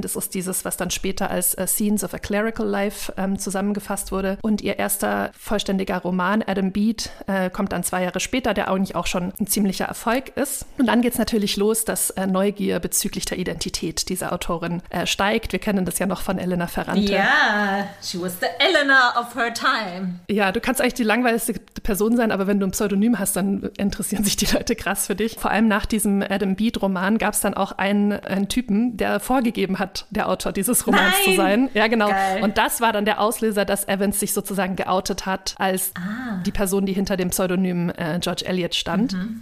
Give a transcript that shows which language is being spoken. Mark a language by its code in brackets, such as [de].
[de] Das ist dieses, was dann später als Scenes of a Clerical Life zusammengefasst wurde. Und ihr erster vollständiger Roman, Adam Bede, kommt dann zwei Jahre später, der eigentlich auch schon ein ziemlicher Erfolg ist. Und dann geht es natürlich los, dass Neugier bezüglich der Identität dieser Autorin steigt. Wir kennen das ja noch von Elena Ferrante. [en] Ja, yeah, she was the Elena of her time. [de] Ja, du kannst eigentlich die langweiligste Person sein, aber wenn du ein Pseudonym hast, dann interessieren sich die Leute krass für dich. Vor allem nach diesem Adam Bede-Roman gab es dann auch einen Typen, der vorgegeben hat, der Autor dieses Romans zu sein. Ja, genau. Geil. Und das war dann der Auslöser, dass Evans sich sozusagen geoutet hat als die Person, die hinter dem Pseudonym George Eliot stand. Mhm.